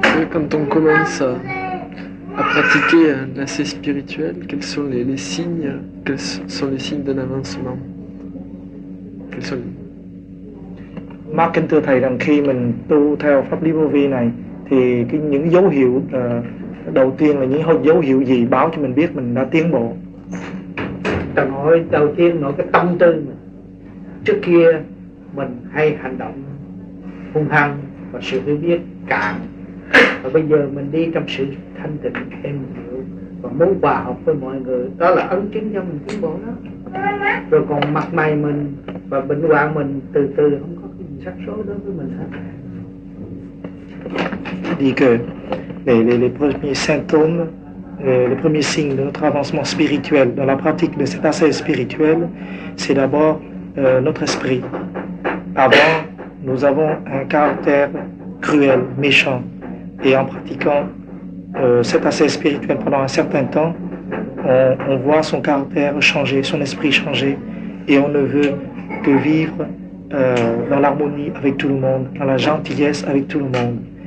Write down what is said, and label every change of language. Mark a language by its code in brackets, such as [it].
[fr] Quand on commence à pratiquer l'ascèse spirituelle, quels sont les signes, quels sont les signes d'un avancement? Quels sont les... [vi] Mark kính thưa thầy rằng khi mình tu theo pháp lý vô vi này thì cái những dấu hiệu đầu tiên là những dấu hiệu gì báo cho mình biết mình đã tiến bộ? Nói đầu tiên nói cái tâm tư mà. Trước kia mình hay hành động hung hăng và sự hiểu biết càng. Và bây giờ mình đi trong sự thanh tịnh thêm nhiều và muốn hòa hợp với mọi người, đó là ấn chứng cho mình tiến bộ đó. Rồi còn mặt mày mình và bệnh hoạn mình từ từ không có cái gì sắc số đối với mình hết. [fr] Dit que les premiers symptômes le premier signe de notre avancement spirituel, dans la pratique de cet ascèse spirituel, c'est d'abord notre esprit. Avant, nous avons un caractère cruel, méchant, et en pratiquant cet ascèse spirituel pendant un certain temps, on voit son caractère changer, son esprit changer, et on ne veut que vivre dans l'harmonie avec tout le monde, dans la gentillesse avec tout le monde.